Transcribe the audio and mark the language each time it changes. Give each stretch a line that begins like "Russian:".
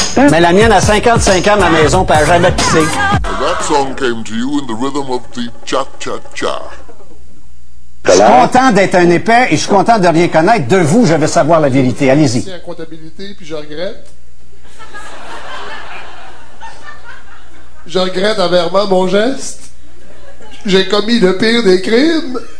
French: Mais la mienne a 55 ans, ma maison, pas jamais pissé.
English: That song came to you in the rhythm of the cha-cha-cha.
French: Je suis content d'être un épais et je suis content de rien connaître. De vous, je veux savoir la vérité. Allez-y. C'est en comptabilité, puis je regrette. Je regrette amèrement mon geste. J'ai commis le pire des crimes.